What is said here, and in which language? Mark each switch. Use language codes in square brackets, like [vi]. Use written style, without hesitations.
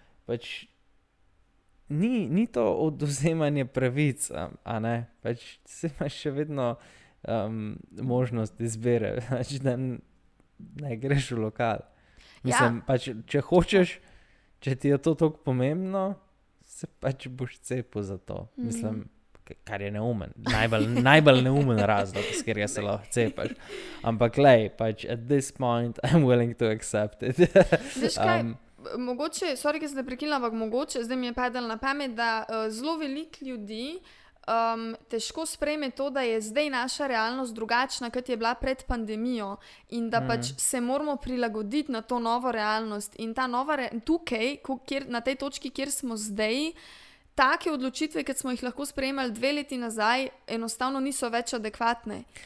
[sl] Pač ni to oduzemanje pravic, a ne, pač se imaš še vedno možnost izbere, znači da ne greš v lokal. Mislim, pač če hočeš, če ti je to toliko pomembno, se pač boš cepil za to. Mislim, kar je neumen. Najbolj neumen razlog, s kjer se lahko cepaš. [en] Ampak lej, pač at this point I'm willing to accept it. [sl] Veš kaj, mogoče, sorry, ki sem ne prekinila, ampak mogoče, zdaj mi je padel na pamet, da zelo veliko ljudi težko sprejme to, da je zdaj naša realnost drugačna, kot je bila pred pandemijo in da pač se moramo prilagoditi na to novo realnost in ta nova tukaj, kjer, na tej točki, kjer smo zdaj, take odločitve, kot smo jih lahko sprejemali 2 leti nazaj, enostavno niso več adekvatne.